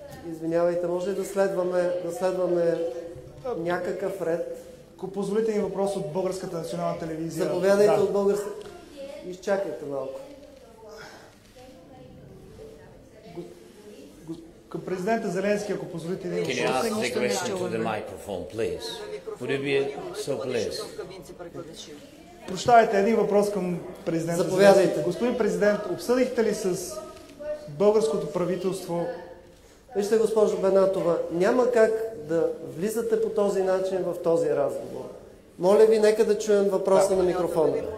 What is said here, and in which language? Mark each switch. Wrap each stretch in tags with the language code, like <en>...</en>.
<bg>Извинявайте, може ли да следваме някакъв ред? Ако позволите ми въпрос от Българската национална телевизия. Заповядайте, да. От Българската. Изчакайте малко. Към президента Зеленски, ако позволите ли...</bg> <en>Can you ask the question to the microphone, please? Would it be so please?</en> <bg>Прощавайте, един въпрос към президента Зеленски. Заповядайте. Господин президент, обсъдихте ли с българското правителство... Вижте, госпожо Бенатова, няма как да влизате по този начин в този разговор. Моля ви, нека да чуем въпроса на микрофона.</bg>